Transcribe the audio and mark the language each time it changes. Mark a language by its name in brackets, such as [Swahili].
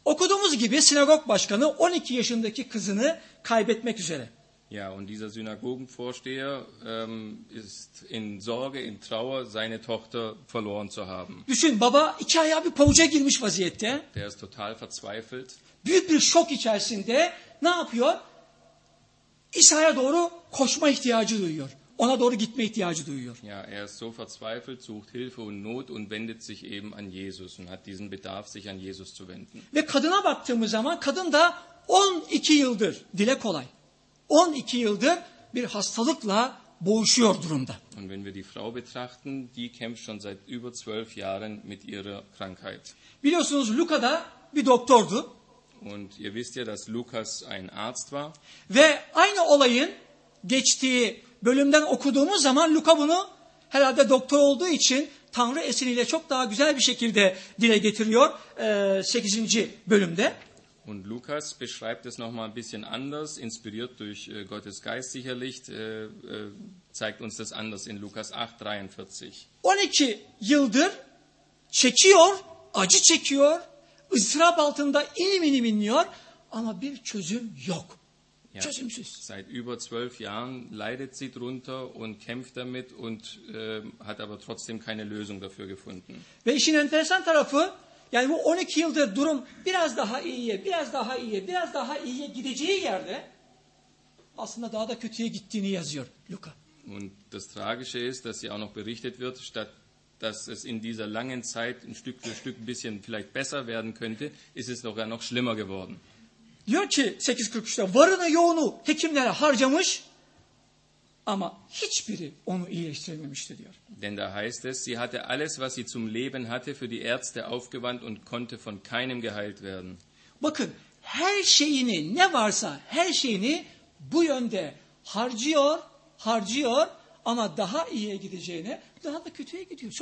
[Turkish] Okuduğumuz gibi sinagog başkanı 12 yaşındaki kızını kaybetmek üzere. [German] Ja, und dieser Synagogenvorsteher ist in Sorge, in Trauer, seine Tochter verloren zu haben. [Turkish] Düşün, baba iki ayağı bir pavuca girmiş vaziyette. [German] Der ist total verzweifelt. [Turkish] Büyük bir şok içerisinde ne yapıyor? İsa'ya doğru koşma ihtiyacı duyuyor. Ona doğru gitme ihtiyacı duyuyor. [German] Ja, ist so verzweifelt, sucht Hilfe und Not und wendet sich eben an Jesus und hat diesen Bedarf, sich an Jesus zu wenden. [Turkish] Ve kadına baktığımız zaman kadın da 12 yıldır dile kolay. 12 yıldır bir hastalıkla boğuşuyor durumda. [German] Und wenn wir die Frau betrachten, die kämpft schon seit über 12 Jahren mit ihrer Krankheit. [Turkish] Biliyorsunuz Luka da bir doktordu. [German] Und ihr wisst ja, dass Lukas ein Arzt war. [Turkish] Ve aynı olayın geçtiği bölümden okuduğumuz zaman Luka bunu herhalde doktor olduğu için Tanrı esiniyle çok daha güzel bir şekilde dile getiriyor 8. bölümde. [German] Und Lukas beschreibt es nochmal ein bisschen anders, inspiriert durch Gottes Geist sicherlich, zeigt uns das anders in Lukas 8:43. [Turkish] 12 yıldır çekiyor, acı çekiyor, ızdırap altında inim inim inliyor ama bir çözüm yok. Ja, çözümsüz. [German] Seit über 12 Jahren leidet sie drunter und kämpft damit und hat aber trotzdem keine Lösung dafür gefunden. [Turkish] Ve işin enteresan tarafı, yani bu 12 yıldır durum biraz daha iyiye, biraz daha iyiye, biraz daha iyiye gideceği yerde aslında daha da kötüye gittiğini yazıyor Luka. [German] Und das Tragische ist, dass sie auch noch berichtet wird, statt dass es in dieser langen Zeit ein Stück für Stück ein bisschen vielleicht besser werden könnte, ist es sogar noch schlimmer geworden. [Turkish] Diyor ki 8:43'te varını yoğunu hekimlere harcamış ama hiçbiri onu iyileştirememişti diyor. [German] Denn da heißt es, sie hatte alles, was sie zum Leben hatte, für die Ärzte aufgewandt und konnte von keinem geheilt werden. [Turkish] Bakın, her şeyini, ne varsa her şeyini bu yönde harcıyor, harcıyor ama daha iyiye gideceğine, daha da kötüye gidiyor.